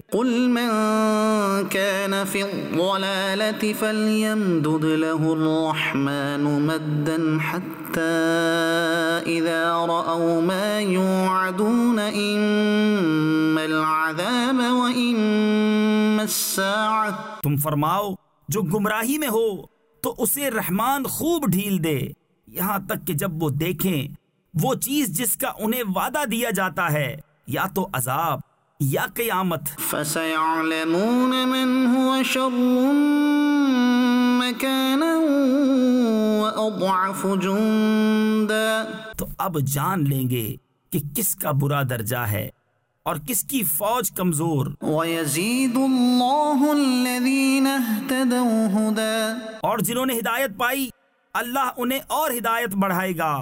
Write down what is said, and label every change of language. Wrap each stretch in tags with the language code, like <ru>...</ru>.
<ar>قُلْ مَنْ كَانَ فِي الضَّلَالَةِ فَلْيَمْدُدْ لَهُ الرَّحْمَنُ مَدًّا حَتَّى إِذَا رَأَوْا مَا يُوْعَدُونَ إِمَّا الْعَذَابَ وَإِمَّا السَّاعَةَ</ar> <ur>تم فرماؤ جو گمراہی میں ہو تو اسے رحمان خوب ڈھیل دے یہاں تک کہ جب وہ دیکھیں وہ چیز جس کا انہیں وعدہ دیا جاتا ہے یا تو عذاب یا قیامت</ur> <ar>فسيعلمون من هو شر مكانا واضعف جندا</ar> <ur>تو اب جان لیں گے کہ کس کا برا درجہ ہے اور کس کی فوج کمزور</ur> <ar>ويزيد الله الذين اهتدوا هدى</ar> <ur>اور جنہوں نے ہدایت پائی اللہ انہیں اور ہدایت بڑھائے گا</ur>